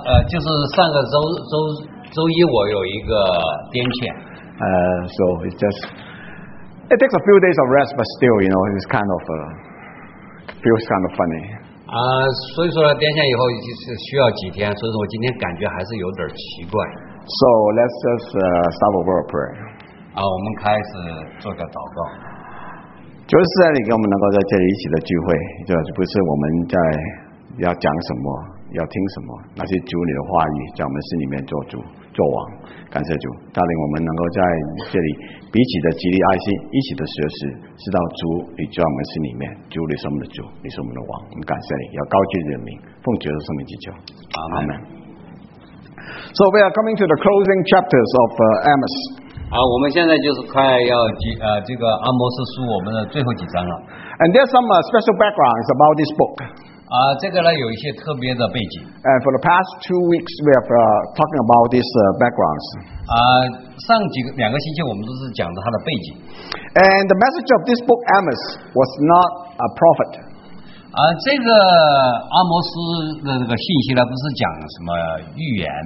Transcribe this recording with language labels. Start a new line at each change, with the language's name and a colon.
Chinese: 就是上个周一我有一个癫痫。
English: So it's just it takes a few days of rest, but still, you know, it's kind of feels kind of funny.
Chinese: 所以说呢，癫痫以后就是需要几天，所以说我今天感觉还是有点奇怪。
English: So let's just start a word of prayer.
Chinese: 我们开始做个祷告。就是在你跟我们能够在这里一起的聚会，就不是我们在要讲什么，要听什么，那些主你的话语，在我们心里面做主。做王，感谢主带领我们能够在这里彼此的激励爱心，一起的学习，知道主你在我们心里面，主你是我们的主，你是我们的王，我们感谢你，要高举你的名，奉主的圣名祈求，阿门。Amen.
English: So we are coming to the closing chapters of Amos.
Chinese: 我们现在就是快要这个阿摩斯书我们的最后几章了。
English: And there's some special backgrounds about this book.
Chinese: 这个呢有一些特别的背景。
English: And for the past 2 weeks, we have talking about these backgrounds.
Chinese: 上两个星期我们都是讲的它的背景。
English: And the message of this book, Amos, was not a prophet.
Chinese: 这个阿摩斯的那个信息呢，不是讲什么预言。